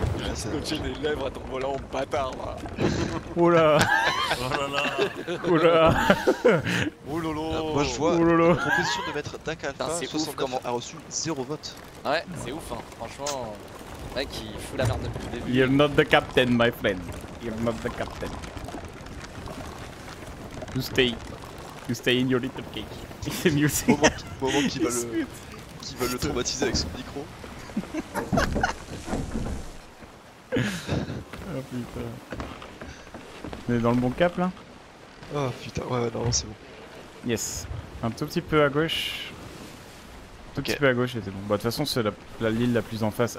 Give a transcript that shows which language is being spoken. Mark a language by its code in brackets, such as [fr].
[fr] Re-scotcher des lèvres à ton volant, bâtard. Oula. Oula. Oulolo. Moi je vois. La proposition de mettre Dark Alpha. C'est ouf. Comment a reçu 0 vote. Ouais, c'est ouf. Franchement. Mec, il fout la merde depuis le début. [en] You're not the captain, my friend. You're not the captain. You stay in your little cage. It's amusing. [fr] Moment qui va le... qui va le traumatiser avec son micro. Oh putain. On est dans le bon cap, là? Oh putain, ouais, ouais, non, c'est bon. [en] Yes. [fr] Un tout petit peu à gauche. Tout okay. Petit peu à gauche, c'était bon. Bah, de toute façon, c'est la l'île la plus en face.